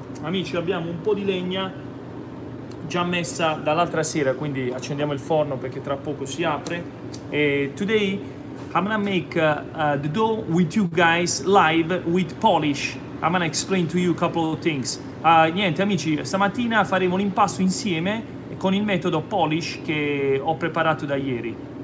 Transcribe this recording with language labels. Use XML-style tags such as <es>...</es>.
<it>Amici, abbiamo un po' di legna già messa dall'altra sera, quindi accendiamo il forno perché tra poco si apre.</it> <en>E today I'm gonna make the dough with you guys live with poolish. I'm gonna explain to you a couple of things.</en> <it>Niente, amici, stamattina faremo l'impasto insieme con il metodo poolish che ho preparato da ieri.</it>